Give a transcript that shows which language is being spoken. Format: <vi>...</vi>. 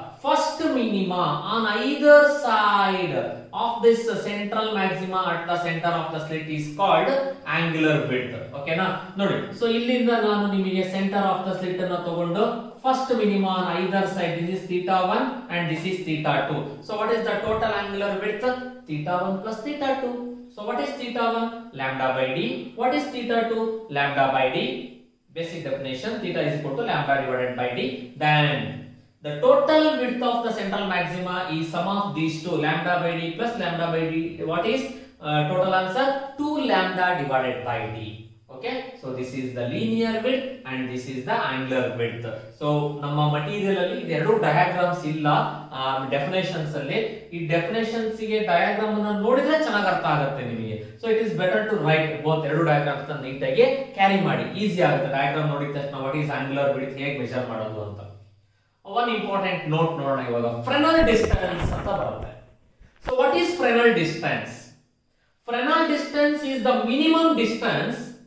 <en>first minima on either side of this central maxima at the centre of the slit is called angular width ಓಕೆನಾ ನೋಡಿ so</en> <kn>ಇಲ್ಲಿಂದ ನಾನು ನಿಮಗೆ centre of the slit ಅನ್ನು ತಗೊಂಡು</kn> <en>First minima on either side this is theta 1 and this is theta 2 so what is the total angular width theta 1 plus theta 2 So what is theta 1? Lambda by d. What is theta 2? Lambda by d. Basic definition, theta is equal to lambda divided by d. Then, the total width of the central maxima is sum of these two. Lambda by d plus lambda by d. What is total answer? 2 lambda divided by d. Okay? So this is the linear width and this is the angular width.</en> <kn>So, namma material alli idu diagrams illa definitions alli. ಈ definition ಗೆ diagram ಅನ್ನು ನೋಡಿದ್ರೆ ಚೆನ್ನಾಗಿ ಅರ್ಥ ಆಗುತ್ತೆ ನಿಮಗೆ</kn> <en>so it is better to write both</en> <kn>ಎರಡು diagrams ನೀಟಾಗಿ ಕ್ಯಾರಿ ಮಾಡಿ ಈಸಿ ಆಗುತ್ತೆ ಡಯಾಗ್ರಾಮ್ ನೋಡಿದ ತಕ್ಷಣ</kn> <en>what is angular width</en> <kn>ಹೇಗೆ ಮೆಷರ್ ಮಾಡೋದು ಅಂತ ಒನ್ ಇಂಪಾರ್ಟೆಂಟ್ ನೋಟ್ ನೋಡೋಣ ಇವಾಗ ಫ್ರೆನಲ್ ಡಿಸ್ಟೆನ್ಸ್ ಅಂತ ಬರುತ್ತೆ</kn> <en>so what is Fresnel distance Fresnel distance is the minimum distance</en>